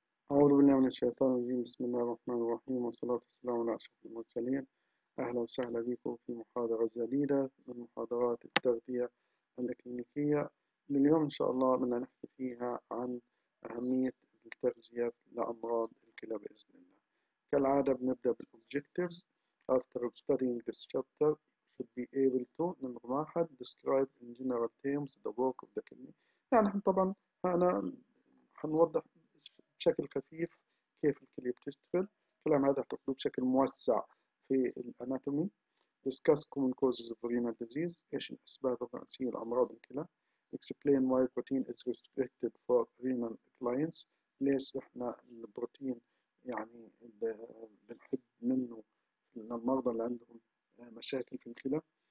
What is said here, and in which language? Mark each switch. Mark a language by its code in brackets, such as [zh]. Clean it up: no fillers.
[ar] بالله من الشيطان الرجيم. بسم الله الرحمن الرحيم، والصلاة والسلام على أشرف المرسلين. أهلا وسهلا بكم في محاضرة جديدة من محاضرات التغذية الإكلينيكية. لليوم إن شاء الله بدنا نحكي فيها عن أهمية التغذية لأمراض الكلى بإذن الله. كالعادة بنبدأ بالobjectives. [en] After studying this chapter, you should be able to number 1 describe in general terms the work of the kidney. [ar] يعني طبعا أنا هنوضح بشكل خفيف كيف الكلية بتشتغل، كلام هذا تقوله بشكل موسع في الاناتومي. [en] Discuss common causes of renal disease، [ar] إيش الأسباب الرئيسية لأمراض الكلى. [en] Explain why protein is restricted for renal clients، [ar] ليش إحنا البروتين يعني بنحب منه للمرضى اللي عندهم مشاكل في الكلى.